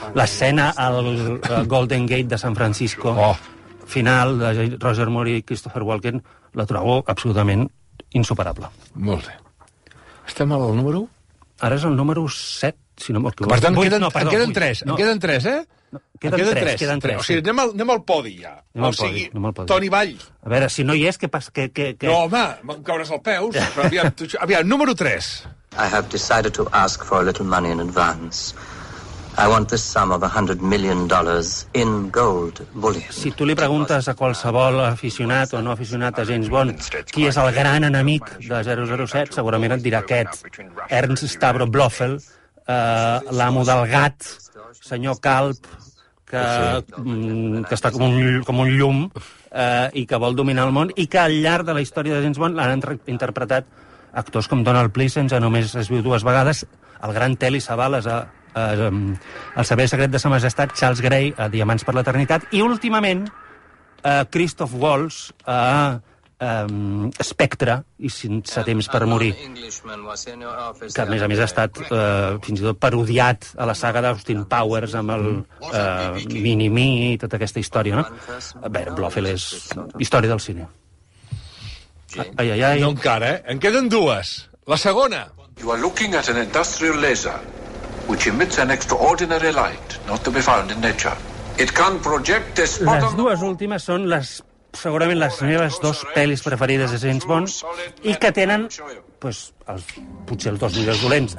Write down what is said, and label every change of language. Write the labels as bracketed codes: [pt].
[ca] L'escena al Golden Gate de San Francisco, final de Roger Moore i Christopher Walken, la trobo absolutament insuperable. Molt bé. Estem al número 1? Ara és el número 7. Si no, per tant, queden 3, no. Queden 3, eh? Queden 3. O sigui, anem al podi, ja. Anem al podi. Toni Vall. A veure, si no hi és, què passa? No, home, em cauràs al peus. Aviam, número 3. [en] I have decided to ask for a little money in advance. I want this sum of $100 million in gold bullion. [ca] Si tu li preguntes a qualsevol aficionat o no aficionat a James Bond qui és el gran enemic de 007, segurament et dirà aquest, Ernst Stavro Blofeld, l'amo del gat, senyor Calp, que està com un llum i que vol dominar el món, i que al llarg de la història de James Bond l'han interpretat actors com Donald Pleasence, a Només es viu dues vegades, el gran Telly Savalas al Saber Secret de Sa Majestat, Charles Grey a Diamants per l'Eternitat, i últimament Christoph Waltz a Spectre i Sense Temps per Morir, que a més ha estat fins i tot parodiat a la saga d'Austin Powers amb el Mini-Me i tota aquesta història, no? A veure, Blofeld és història del cine. Ai, ai, ai. No encara, eh? En queden dues. La segona. [en] You are looking at an industrial laser which emits an extraordinary light not to be found in nature. It can project this... [ca] Les dues últimes són les segurament les meves dues pel·lis preferides de James Bond, i que tenen potser els dos millors dolents.